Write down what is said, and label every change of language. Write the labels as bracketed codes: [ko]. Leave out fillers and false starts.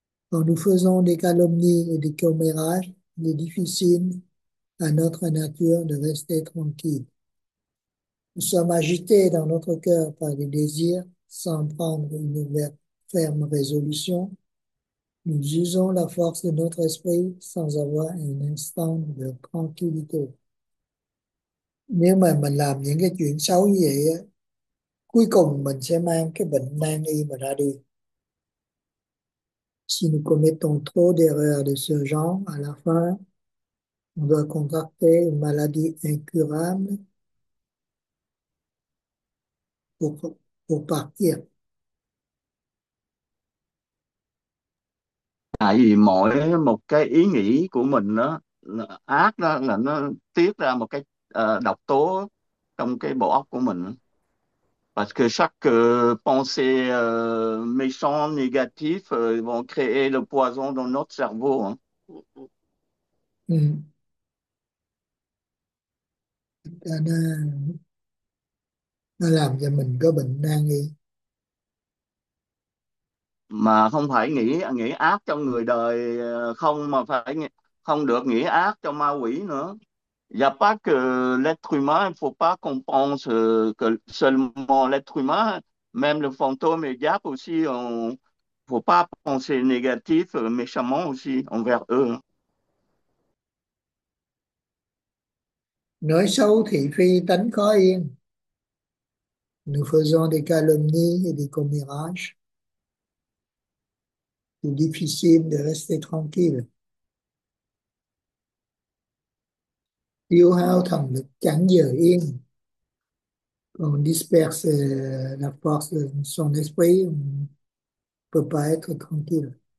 [fr] Quand nous faisons des calomnies et des commérages, il est difficile à notre nature de rester tranquille. Nous sommes agités dans notre cœur par des désirs sans prendre une ferme résolution. Nous usons la force de notre esprit sans avoir un instant de tranquillité. [vi] Nếu mà mình làm những cái chuyện xấu như vậy á, cuối cùng mình sẽ mang cái bệnh nan y mà ra đi. [fr] Si nous commettons trop d'erreurs de ce genre, à la fin, on doit contracter une maladie incurable pour partir. [vi] Tại vì mỗi một cái ý nghĩ của mình đó là ác đó, là nó tiết ra một cái độc tố trong cái bộ óc của mình. [fr] Parce que chaque pensée méchante, négative vont créer le poison dans notre cerveau. Hein. [vi] Nó làm cho mình có bệnh nan y. Mà không phải nghĩ ác cho người đời không, mà phải không được nghĩ ác cho ma quỷ nữa. [fr] Il n'y a pas que l'être humain, il ne faut pas qu'on pense que seulement l'être humain, même le fantôme et le diable aussi, on faut pas penser négatif, méchamment aussi envers eux. [vi] Nói xấu thị phi tánh khó yên. [fr] Nous faisons des calomnies et des commérages. C'est difficile de rester tranquille. [vi] Tiêu hao thần lực chẳng giờ yên. [fr] On disperse la force de son esprit, on ne peut pas être tranquille.